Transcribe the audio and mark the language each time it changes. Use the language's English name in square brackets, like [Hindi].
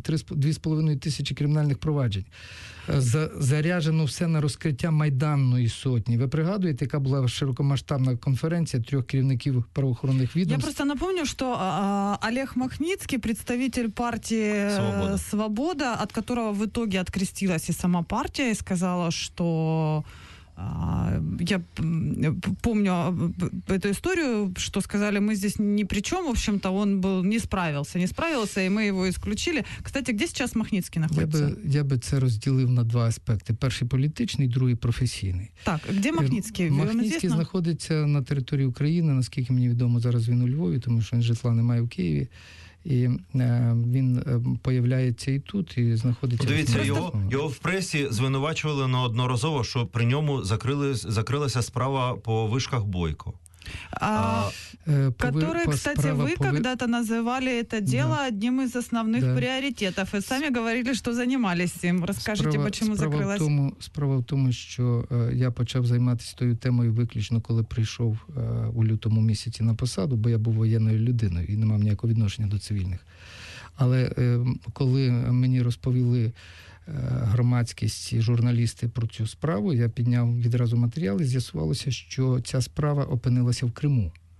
[Ukrainian] 2,5 тисячі кримінальних проваджень. Заряджено все на розкриття Майданної сотні. Ви пригадуєте, яка була широкомасштабна конференція трьох керівників правоохоронних відомств? Я просто напомню, що Олег Махніцький, представитель партії «Свобода», від якого в итоге відкрестилась і сама партія, і сказала, що... [Russian] Я помню эту историю, что сказали, мы здесь ни при чем, в общем-то, он был, не справился, и мы его исключили. Кстати, где сейчас Махницкий находится? Я бы это разделил на два аспекта. Перший политический, другий профессийный. Так, где Махницкий? Махницкий находится на территории Украины, насколько мне известно, [Ukrainian] зараз він у Львові, [Russian] потому что он житла немає в Києві. [Ukrainian] І він появляється і тут, і знаходиться... Дивіться, його в пресі звинувачували неодноразово, що при ньому закрилася справа по вишках Бойко. [Russian] Ви когда-то называли это дело одним из основных приоритетов. И сами говорили, что занимались им. Расскажите, почему закрылась? [Ukrainian] Справа в тому, що я почав займатися тою темою виключно, коли прийшов у лютому місяці на посаду, бо я був воєнною людиною і не мав ніякого відношення до цивільних. Але коли мені розповіли громадськість і журналісти про цю справу, я підняв відразу матеріал і з'ясувалося, що ця справа опинилася в Криму.